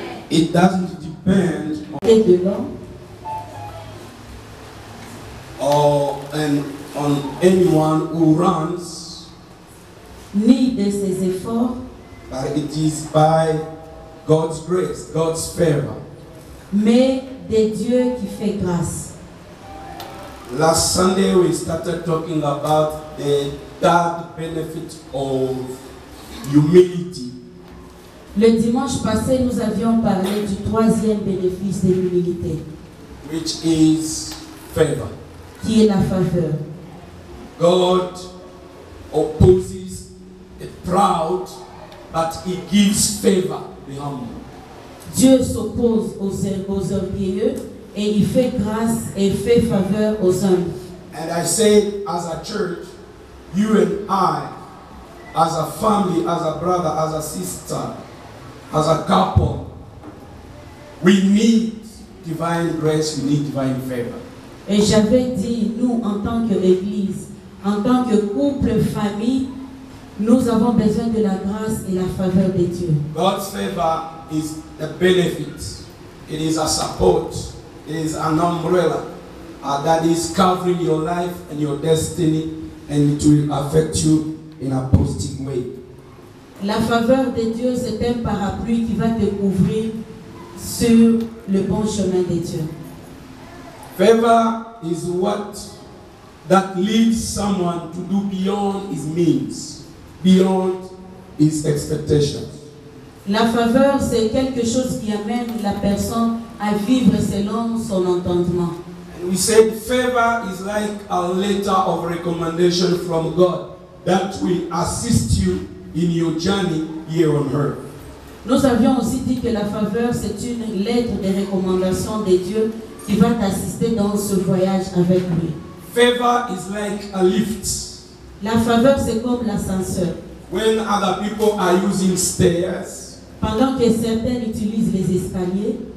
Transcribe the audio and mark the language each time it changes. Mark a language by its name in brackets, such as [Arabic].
[English] It doesn't depend on on anyone who runs. [French] Ni de ses efforts. [English] But it is by God's grace, God's favor. [French] Mais de Dieu qui fait grâce. [English] Last Sunday we started talking about the third benefit of humility. [French] Le dimanche passé, nous avions parlé du troisième bénéfice de l'humilité. [English] Which is favor. [French] Qui est la faveur. [English] God opposes the proud, but he gives favor to the humble. [French] Dieu s'oppose aux orgueilleux et il fait grâce et fait faveur aux hommes. [English] And I say, as a church, you and I, as a family, as a brother, as a sister, as a couple, we need divine grace, we need divine favor. [French] Et j'avais dit, nous, en tant qu'église, en tant que couple, famille, nous avons besoin de la grâce et la faveur de Dieu. [English] God's favor is a benefit. It is a support. It is an umbrella that is covering your life and your destiny, and it will affect you in a positive way. [French] La faveur de Dieu, c'est un parapluie qui va te couvrir sur le bon chemin de Dieu. [English] Favor is what that leads someone to do beyond his means, beyond his expectations. [French] La faveur, c'est quelque chose qui amène la personne à vivre selon son entendement. [English] And we said favor is like a letter of recommendation from God that will assist you in your journey here on earth. [French] Nous avions aussi dit que la faveur, c'est une lettre de recommandation de Dieu qui va t'assister dans ce voyage avec lui. [English] Favor is like a lift. [French] La faveur, c'est comme l'ascenseur. [English] When other people are using stairs, [French] pendant que certains utilisent les escaliers,